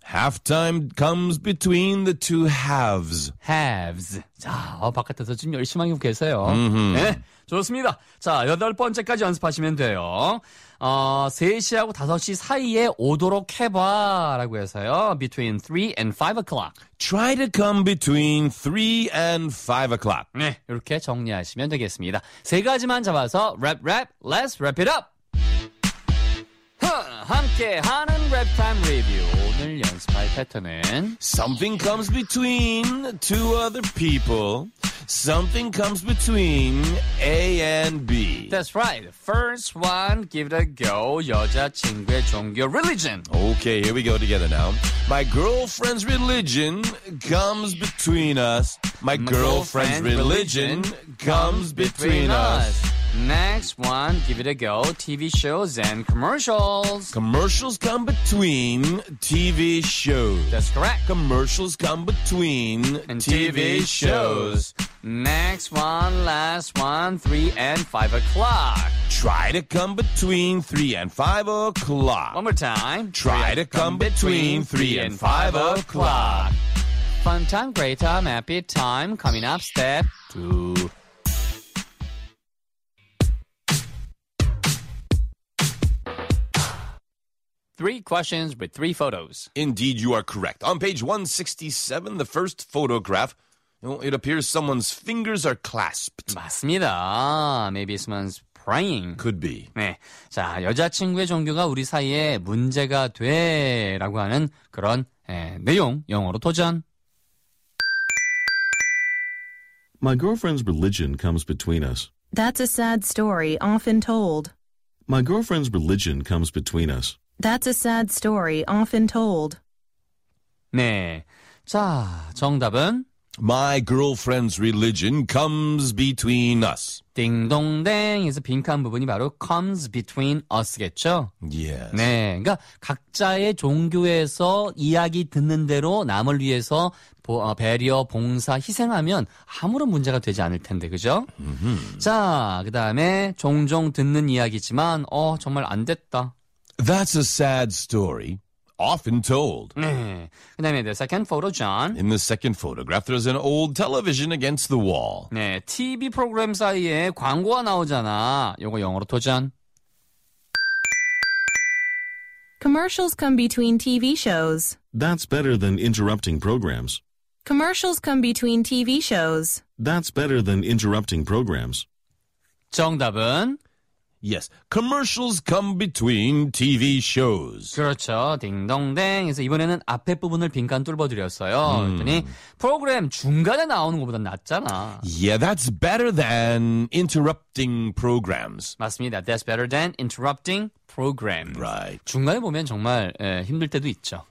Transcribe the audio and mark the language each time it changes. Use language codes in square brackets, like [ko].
[en] Halftime comes between the two halves. Halves. [ko] 자, 바깥에서 지금 열심히 하고 계세요. Mm-hmm. 네, 좋습니다. 자, 여덟 번째까지 연습하시면 돼요. 3시하고 5시 사이에 오도록 해봐라고 해서요. [en] Between 3 and 5 o'clock. Try to come between 3 and 5 o'clock. [ko] 네, 이렇게 정리하시면 되겠습니다. 세 가지만 잡아서 랩, [en] let's wrap it up. [ko] 함께하는 랩타임 리뷰. 오늘 연습할 패턴은 [en] Something comes between two other people. Something comes between A and B. That's right. First one, give it a go. [ko] 여자친구의 종교, religion. [en] Okay, here we go together now. My girlfriend's religion comes between us. My girlfriend's religion comes between us. Next one, give it a go. TV shows and commercials. Commercials come between TV shows. That's correct. Commercials come between and TV shows. Next one, last one, 3 and 5 o'clock. Try to come between 3 and 5 o'clock. One more time. Try to come between 3 and 5 o'clock. Fun time, great time, happy time. Coming up, step 2. Three questions with three photos. Indeed, you are correct. On page 167, the first photograph, it appears someone's fingers are clasped. [ko] 맞습니다. [en] Maybe someone's praying. Could be. [ko] 네. 자, 여자친구의 종교가 우리 사이에 문제가 돼라고 하는 그런 내용, 영어로 도전. [en] My girlfriend's religion comes between us. That's a sad story often told. My girlfriend's religion comes between us. That's a sad story often told. [ko] 네. 자, 정답은? [en] My girlfriend's religion comes between us. [ko] 딩동댕에서 빈칸 부분이 바로 [en] comes between us [ko] 겠죠? [en] Yes. [ko] 네, 그러니까 각자의 종교에서 이야기 듣는 대로 남을 위해서 배려, 봉사, 희생하면 아무런 문제가 되지 않을 텐데, 그죠? Mm-hmm. 자, 그 다음에 종종 듣는 이야기지만 정말 안 됐다. [en] That's a sad story. Often told. [ko] 네. 그 다음에 [en] the second photo, John. In the second photograph, there's an old television against the wall. [ko] 네, TV 프로그램 사이에 광고가 나오잖아. 요거 영어로 도전. [en] Commercials come between TV shows. That's better than interrupting programs. Commercials come between TV shows. That's better than interrupting programs. [ko] 정답은? [en] Yes, commercials come between TV shows. [ko] 그렇죠. 딩동댕. 그래서 이번에는 앞에 부분을 빈칸 뚫어드렸어요. 그랬더니 프로그램 중간에 나오는 것보다 낫잖아. [en] Yeah, that's better than interrupting programs. [ko] 맞습니다. That's better than interrupting programs. [en] Right. [ko] 중간에 보면 정말 힘들 때도 있죠.